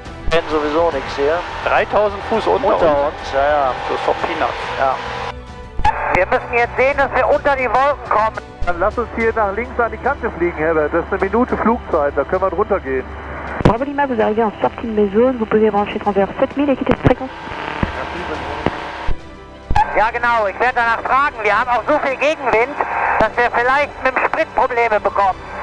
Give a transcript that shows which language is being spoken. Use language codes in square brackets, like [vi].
[de] Wir kennen sowieso nichts hier. 3000 Fuß unter uns. Ja, ja. Das ist doch Peanuts. Ja. Wir müssen jetzt sehen, dass wir unter die Wolken kommen. Dann lass uns hier nach links an die Kante fliegen, Herbert. Das ist eine Minute Flugzeit, da können wir drunter gehen. [fr] Bravo Lima, vous arrivez en sortie de Maison. Vous pouvez brancher transvers 7000 et quitter cette fréquence. [de] Ja genau, ich werde danach fragen. Wir haben auch so viel Gegenwind, dass wir vielleicht mit dem Sprit Probleme bekommen.